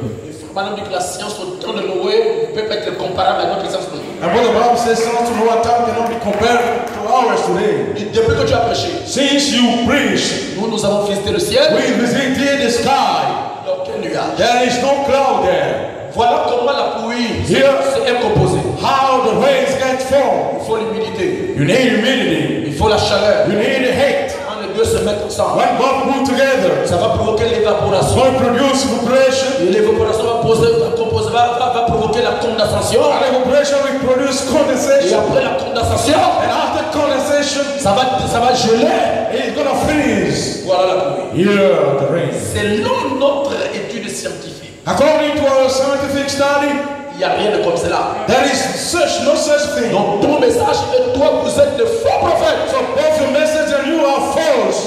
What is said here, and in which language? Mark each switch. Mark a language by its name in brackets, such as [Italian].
[French] Et madame dit que la science au temps de Noé peut être comparable à notre science. [English] And what the Bible says, science to Noah time cannot be compared to ours today. [French] Et depuis que tu as prêché. [English] Since you preach. [French] Nous avons visité le ciel. [English] We visited the sky. [French] Aucun nuage. [English] There is no cloud there. [French] Voilà comment la pluie s'est composée. [English] How the rains get formed. [French] Il faut l'humidité. [English] You need humidity. [French] Il faut la chaleur. [English] You need the heat. [French] Quand les deux se mettent ensemble. [English] When both move together. [French] Ça va provoquer l'évaporation. [English] Will produce evaporation. [French] Et l'évaporation va provoquer la condensation. [English] And evaporation will produce condensation. [French] Et après la condensation. [English] And after condensation. [French] Ça va geler. [English] It's gonna freeze. [French] Voilà la pluie. [English] Here the rain. [French] Selon notre étude scientifique. [English] According to our scientific study, [French] il y a rien de comme cela. [English] There is such no such thing. [French] Donc ton message et toi vous êtes de faux prophètes. [English] So both your message and you are false.